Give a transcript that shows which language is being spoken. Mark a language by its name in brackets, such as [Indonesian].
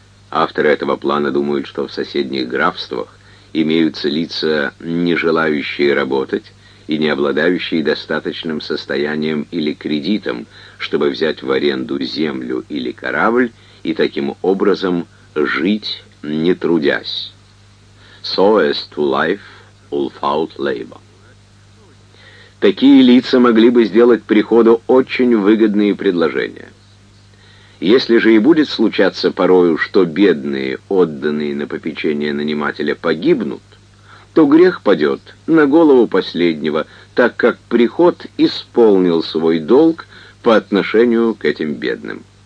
[Russian] Авторы этого плана думают, что в соседних графствах имеются лица, не желающие работать и не обладающие достаточным состоянием или кредитом, чтобы взять в аренду землю или корабль и таким образом жить, не трудясь. [English] So as to live without labor. [Russian] Такие лица могли бы сделать приходу очень выгодные предложения. Если же и будет случаться порою, что бедные, отданные на попечение нанимателя, погибнут, то грех падет на голову последнего, так как приход исполнил свой долг по отношению к этим бедным.